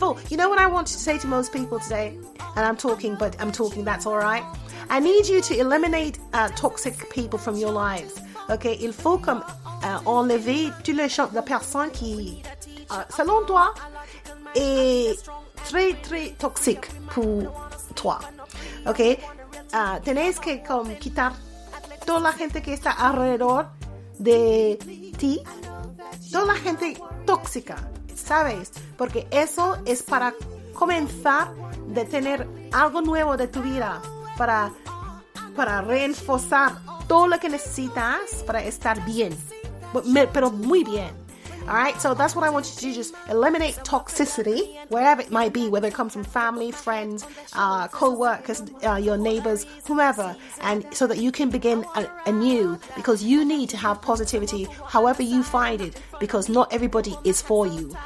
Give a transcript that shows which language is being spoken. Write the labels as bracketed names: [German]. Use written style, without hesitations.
[English] You know what I want to say to most people today? And I'm talking, that's all right. I need you to eliminate toxic people from your lives. [French] Okay, il faut comme enlever tous les gens, la personne qui, selon toi, est très très toxique pour toi. [Spanish] Okay, tenez que comme quitar toda la gente que está alrededor de ti, toda la gente tóxica, sabes, porque eso es para comenzar de tener algo nuevo de tu vida, para reforzar todo lo que necesitas para estar bien, pero muy bien. [English] All right, so that's what I want you to do, just eliminate toxicity wherever it might be, whether it comes from family, friends, co-workers, your neighbors, whomever, and so that you can begin anew, because you need to have positivity however you find it, because not everybody is for you.